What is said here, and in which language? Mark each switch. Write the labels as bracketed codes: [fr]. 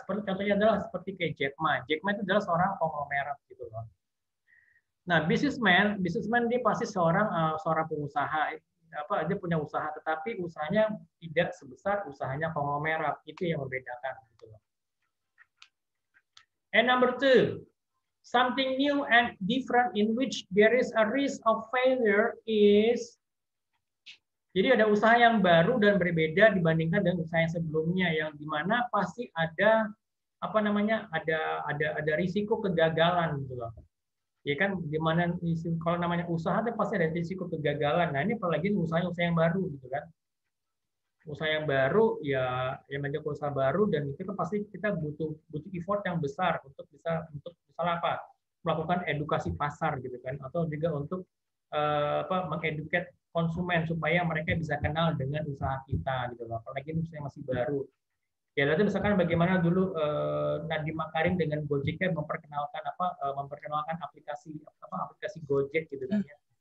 [id] Seperti contohnya adalah seperti kayak Jack Ma itu adalah seorang konglomerat gitu loh. Nah, businessman dia pasti seorang pengusaha, apa dia punya usaha tetapi usahanya tidak sebesar usahanya konglomerat, itu yang membedakan gitu loh. [en] And number two, something new and different in which there is a risk of failure is. [id] Jadi ada usaha yang baru dan berbeda dibandingkan dengan usaha yang sebelumnya yang di mana pasti ada apa namanya? Ada risiko kegagalan gitu loh. Ya kan di mana kalau namanya usaha itu pasti ada risiko kegagalan. Nah, ini apalagi usaha-usaha yang baru gitu kan. Usaha yang baru ya yang menjadi usaha baru dan itu pasti kita butuh effort yang besar untuk salah apa melakukan edukasi pasar gitu kan atau juga untuk mengeduket konsumen supaya mereka bisa kenal dengan usaha kita gitu loh apalagi ini usaha yang masih baru ya lalu misalkan bagaimana dulu Nadiem Makarim dengan Gojeknya memperkenalkan aplikasi Gojek gitu kan ya.